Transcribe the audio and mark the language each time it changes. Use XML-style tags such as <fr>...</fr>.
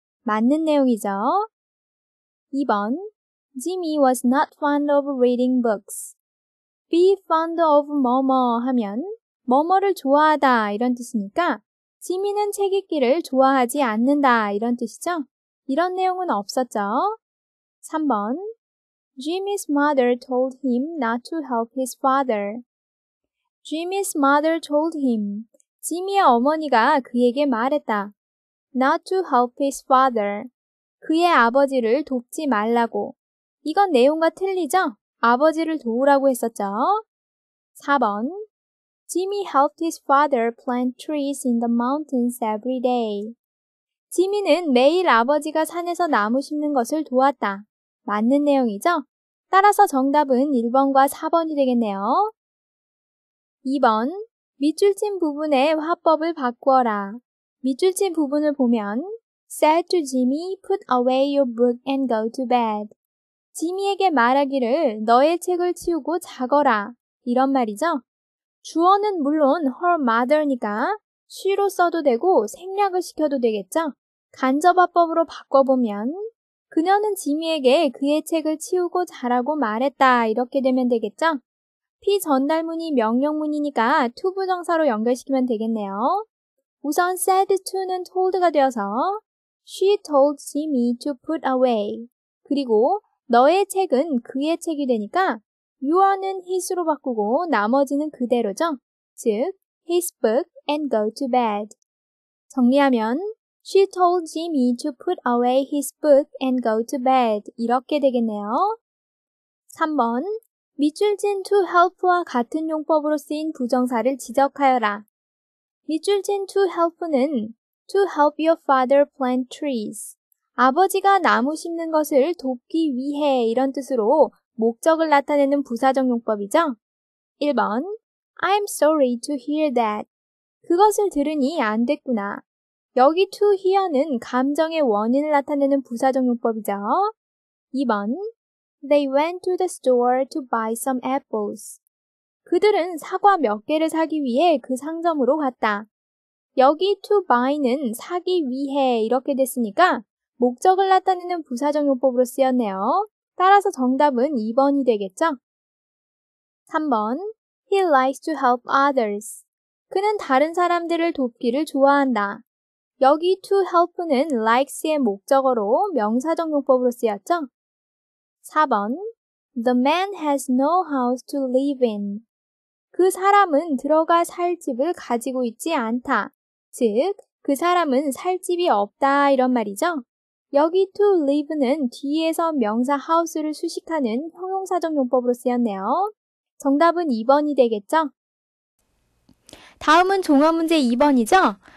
<ko>맞는 내용이죠.</ko> <en>2번. Jimmy was not fond of reading books.</en> <ko>Be fond of 뭐뭐 하면 뭐뭐를 좋아하다 이런 뜻이니까 지미는 책 읽기를 좋아하지 않는다 이런 뜻이죠. 이런 내용은 없었죠. 3번.</ko> <en>Jimmy's mother told him not to help his father. Jimmy's mother told him.</en> <ko>지미의 어머니가 그에게 말했다.</ko> <en>Not to help his father.</en> <ko>그의 아버지를 돕지 말라고. 이건 내용과 틀리죠? 아버지를 도우라고 했었죠.</ko> <en>4번. Jimmy helped his father plant trees in the mountains every day.</en> <ko>지미는 매일 아버지가 산에서 나무 심는 것을 도왔다. 맞는 내용이죠? 따라서 정답은 1번과 4번이 되겠네요. 2번. 밑줄 친 부분의 화법을 바꾸어라. 밑줄 친 부분을 보면</ko> <en>Said to Jimmy, put away your book and go to bed.</en> <ko>지미에게 말하기를 너의 책을 치우고 자거라. 이런 말이죠. 주어는 물론 her mother니까 she로 써도 되고 생략을 시켜도 되겠죠. 간접 화법으로 바꿔보면 그녀는 지미에게 그의 책을 치우고 자라고 말했다. 이렇게 되면 되겠죠. P 전달문이 명령문이니까 to 부정사로 연결시키면 되겠네요. 우선 said to는 told가 되어서</ko> <en>She told Jimmy to put away.</en> <ko>그리고 너의 책은 그의 책이 되니까 your는 his로 바꾸고 나머지는 그대로죠? 즉,</ko> <en>his book and go to bed.</en> <ko>정리하면,</ko> <en>she told Jimmy to put away his book and go to bed.</en> <ko>이렇게 되겠네요. 3번, 밑줄 친 to help와 같은 용법으로 쓰인 부정사를 지적하여라. 밑줄 친</ko> <en>to help는 to help your father plant trees.</en> <ko>아버지가 나무 심는 것을 돕기 위해 이런 뜻으로 목적을 나타내는 부사적 용법이죠.</ko> <en>1번, I'm sorry to hear that.</en> <ko>그것을 들으니 안 됐구나. 여기 to hear는 감정의 원인을 나타내는 부사적 용법이죠.</ko> <en>2번, They went to the store to buy some apples.</en> <ko>그들은 사과 몇 개를 사기 위해 그 상점으로 갔다. 여기 to buy는 사기 위해 이렇게 됐으니까 목적을 나타내는 부사적 용법으로 쓰였네요. 따라서 정답은 2번이 되겠죠?</ko> <en>3번, He likes to help others.</en> <ko>그는 다른 사람들을 돕기를 좋아한다. 여기 to help는 likes의 목적어로 명사적 용법으로 쓰였죠?</ko> <en>4번, The man has no house to live in.</en> <ko>그 사람은 들어가 살 집을 가지고 있지 않다. 즉, 그 사람은 살 집이 없다 이런 말이죠? 여기 to live는 뒤에서 명사 house를 수식하는 형용사적 용법으로 쓰였네요. 정답은 2번이 되겠죠? 다음은 종합 문제 2번이죠?</ko>